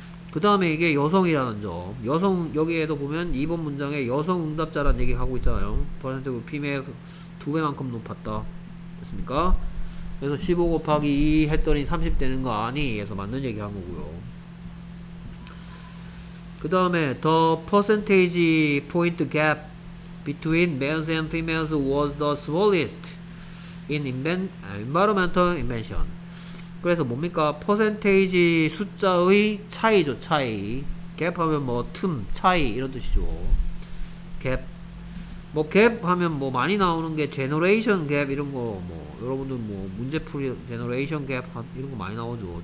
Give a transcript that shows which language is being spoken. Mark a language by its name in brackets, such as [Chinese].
[Korean] 그 다음에 이게 여성이라는 점. 여성 여기에도 보면 2번 문장에 여성 응답자라는 얘기 하고 있잖아요. 퍼센트고 피맥 두 배만큼 높았다. 됐습니까? 그래서 15 곱하기 2 했더니 30 되는 거 아니? 해서 맞는 얘기 한 거고요. 그 다음에 [English] the percentage point gap between males and females was the smallest in environmental invention. [Korean] 그래서 뭡니까? 퍼센테이지 숫자의 차이죠. 차이. gap 하면 뭐 틈, 차이 이런 뜻이죠. gap. 뭐 gap 하면 뭐 많이 나오는 게 generation gap 이런 거 뭐 여러분들 뭐 문제풀이 generation gap 이런 거 많이 나오죠.